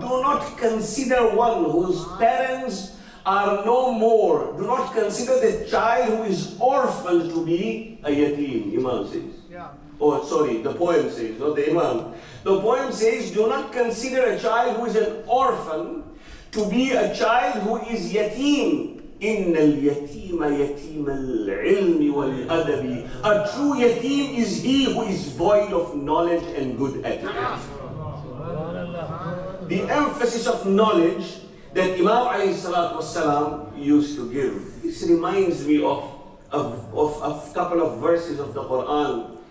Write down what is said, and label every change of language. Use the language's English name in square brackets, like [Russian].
[English] Do not consider one whose parents are no more. Do not consider the child who is orphaned to be a yatim, Imam says. The poem says, do not consider a child who is an orphan to be a child who is yatim. [Arabic] إن اليتيم يتيم العلم والأدب. [English] A true yatim is he who is void of knowledge and good etiquette. The emphasis of knowledge that Imam alayhi salatu wasalam used to give. This reminds me of a couple of verses of the Quran.